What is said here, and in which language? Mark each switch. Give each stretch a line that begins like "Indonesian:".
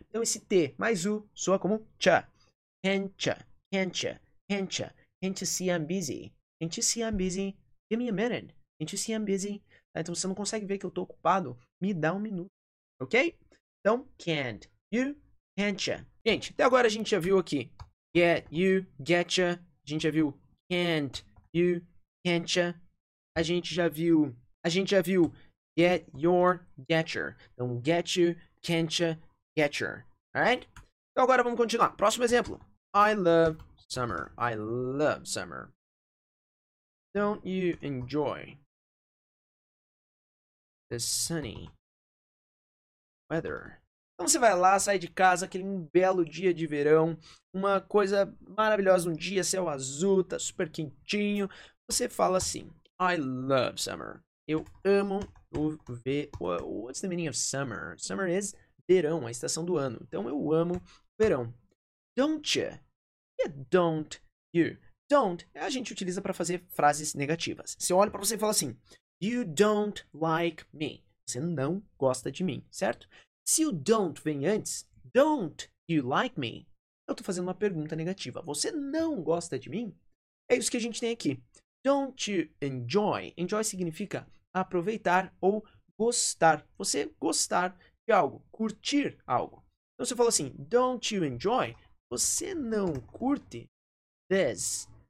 Portuguese: Então, esse T mais U soa como cha.
English: Can't ya. Can't ya. Can't ya. Can't you see I'm busy? Can't you see I'm busy? Give me a minute. Can't you see I'm busy?
Portuguese: Tá? Então, se você não consegue ver que eu tô ocupado, me dá um minuto. Ok? Então,
English: can't you, can't you.
Portuguese: Gente, até agora a gente já viu aqui.
English: Get you, get you.
Portuguese: A gente já viu
English: can't you, can't you.
Portuguese: A gente já viu
English: get your, get your. Então, get you, can't you, get your. Alright?
Portuguese: Então, agora vamos continuar. Próximo exemplo.
English: I love summer. I love summer. Don't you enjoy the sunny weather?
Portuguese: Então, você vai lá, sai de casa, aquele belo dia de verão. Uma coisa maravilhosa, um dia, céu azul, tá super quentinho. Você fala assim.
English: I love summer.
Portuguese: Eu amo o verão.
English: What's the meaning of summer?
Portuguese: Summer is verão, a estação do ano. Então, eu amo verão.
English: Don't you? Yeah, don't you?
Portuguese: Don't a gente utiliza para fazer frases negativas. Se eu olho para você e falo assim,
English: you don't like me.
Portuguese: Você não gosta de mim, certo? Se o don't vem antes,
English: don't you like me?
Portuguese: Eu estou fazendo uma pergunta negativa. Você não gosta de mim? É isso que a gente tem aqui.
English: Don't you enjoy?
Portuguese: Enjoy significa aproveitar ou gostar. Você gostar de algo, curtir algo. Então, se eu falo assim,
English: don't you enjoy?
Portuguese: Você não curte this.